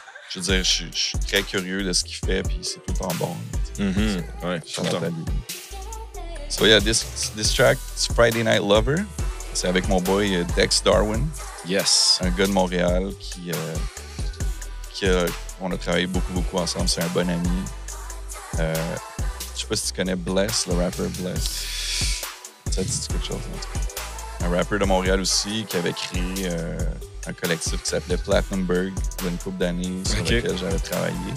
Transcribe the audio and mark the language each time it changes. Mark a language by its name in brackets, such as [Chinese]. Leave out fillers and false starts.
[French] Je veux dire, je suis très curieux de ce qu'il fait, puis c'est tout en bon. Ouais, je suis content. [English] So, yeah, this track, it's Friday Night Lover. [French] C'est avec mon boy Dex Darwin. [English] Yes. [French] Un gars de Montréal qui a, on a travaillé beaucoup, beaucoup ensemble. C'est un bon ami. sais pas si tu connais Bless, le rapper Bless. Ça te dit quelque chose, en tout cas. Un rappeur de Montréal aussi qui avait créé un collectif qui s'appelait Platinumburg, il y a une couple d'années sur lequel j'avais travaillé.